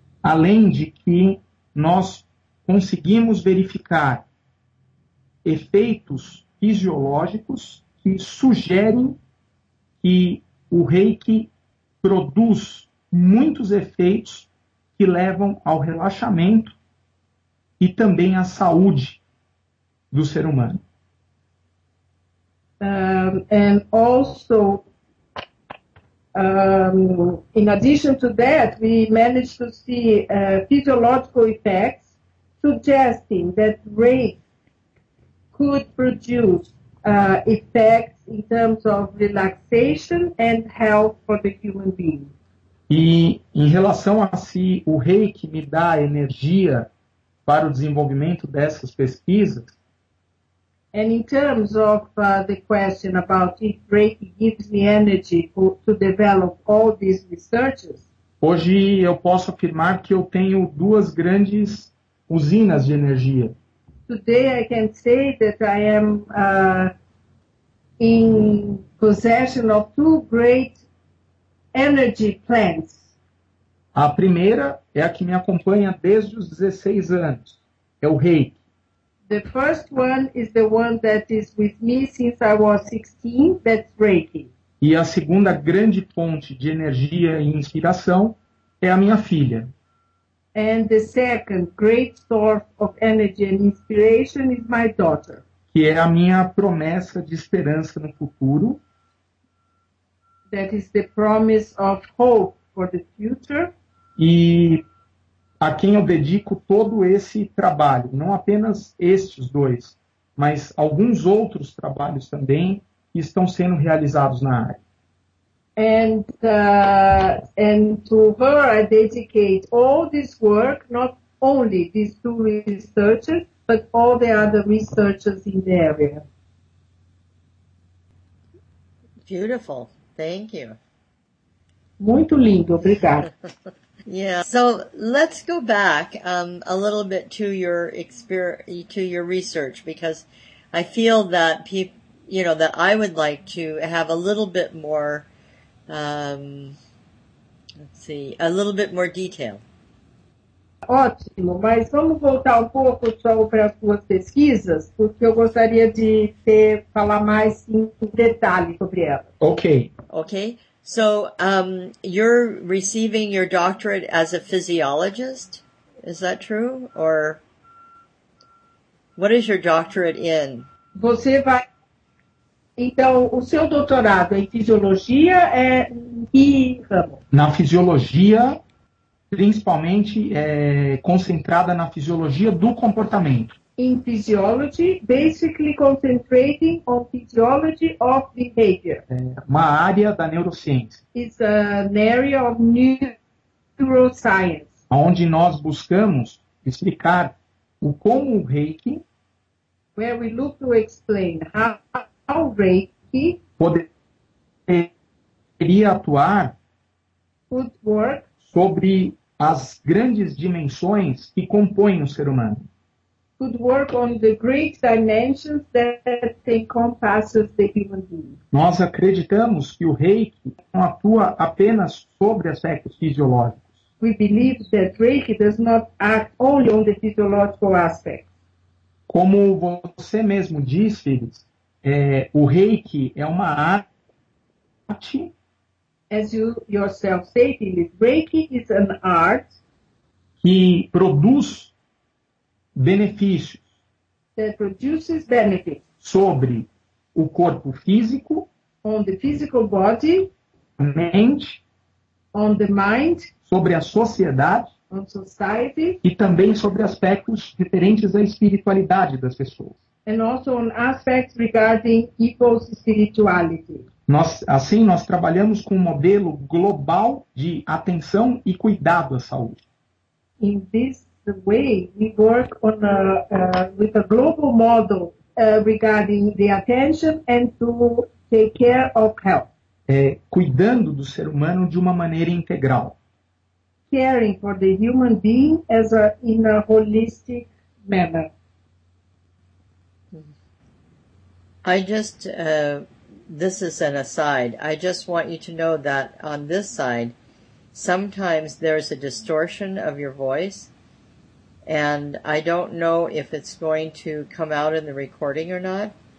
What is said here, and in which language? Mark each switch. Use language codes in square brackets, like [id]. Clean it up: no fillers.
[pt] além de que nós conseguimos verificar efeitos fisiológicos que sugerem que o Reiki produz muitos efeitos que levam ao relaxamento e também à saúde do ser humano. [en] And also, in addition to that, we managed to see physiological effects suggesting that Reiki could produce effects in terms of relaxation and health for the human being. [pt] E em relação a se o Reiki me dá energia para o desenvolvimento dessas pesquisas? [en] And in terms of the question about if Reiki gives me energy to develop all these researches? [pt] Hoje eu posso afirmar que eu tenho duas grandes usinas de energia. [en] Today I can say that I am in possession of two great energy plants. [pt] A primeira é a que me acompanha desde os 16 anos. É o Reiki. [en] The first one is the one that is with me since I was 16, that's Reiki. [pt] E a segunda grande fonte de energia e inspiração é a minha filha. [en] And the second great source of energy and inspiration is my daughter. [pt] Que é a minha promessa de esperança no futuro. [en] That is the promise of hope for the future. [pt] E a quem eu dedico todo esse trabalho, não apenas estes dois, mas alguns outros trabalhos também que estão sendo realizados na área. [en] And to her I dedicate all this work, not only these two researchers, but all the other researchers in the area. Beautiful. Thank you. [pt] Muito lindo. Obrigada. [en] Yeah. So let's go back a little bit to your research, because I feel that that I would like to have a little bit more. A little bit more detail. [pt] Ótimo, mas vamos voltar um pouco só para as suas pesquisas, porque eu gostaria de falar mais em detalhe sobre elas. [en] Okay. So, you're receiving your doctorate as a physiologist? Is that true? Or what is your doctorate in? [pt] Você vai... Então, o seu doutorado em fisiologia é que ramo? Na fisiologia, principalmente concentrada na fisiologia do comportamento. [en] In physiology, basically concentrating on physiology of behavior. [pt] É uma área da neurociência. [en] It's an area of neuroscience. [pt] Onde nós buscamos explicar o como o Reiki. [en] Where we look to explain how. How Reiki [pt] poderia atuar [en] could work [pt] sobre as grandes dimensões que compõem o ser humano. [en] Could work on the great dimensions that encompasses the human being. [pt] Nós acreditamos que o Reiki não atua apenas sobre aspectos fisiológicos. [en] We believe that Reiki does not act only on the physiological aspects. [pt] Como você mesmo disse, Phyllis, o Reiki é uma arte. [en] As you yourself say, Philip, Reiki is an art [pt] que produz benefícios. [en] That produces benefits [pt] sobre o corpo físico, [en] on the physical body, [pt] mente, [en] on the mind, [pt] sobre a sociedade, [en] on society, [pt] e também sobre aspectos referentes à espiritualidade das pessoas. [en] And also on aspects regarding people's spirituality. [pt] Assim, nós trabalhamos com um modelo global de atenção e cuidado à saúde. [en] In this way, we work on with a global model regarding the attention and to take care of health. [pt] Cuidando do ser humano de uma maneira integral. [en] Caring for the human being as in a holistic manner. I just, this is an aside, I just want you to know that on this side, sometimes there's a distortion of your voice, and I don't know if it's going to come out in the recording or not.